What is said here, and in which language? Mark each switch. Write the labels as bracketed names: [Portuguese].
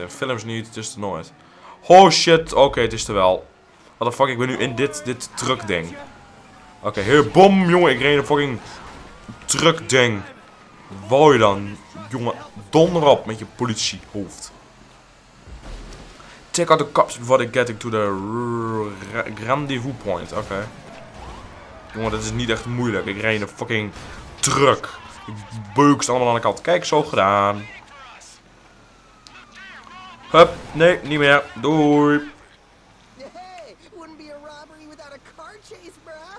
[Dutch] In films niet, het is er nooit. Oh shit, oké, het is er wel. [English] What the fuck, [Dutch] ik ben nu in dit truck ding. Oké, hier, bom, jongen, ik reed een fucking truck ding. Wou je dan, jongen, donder op met je politiehoofd. [English] Take out the cops before they get to the rendezvous point, oké. [Dutch] Jongen, dat is niet echt moeilijk. Ik reed een fucking truck. Ik beuk ze allemaal aan de kant. Kijk, zo gedaan. Hup, nee, niet meer. Doei. [English] Hey, wouldn't be a robbery without a car chase, bruh.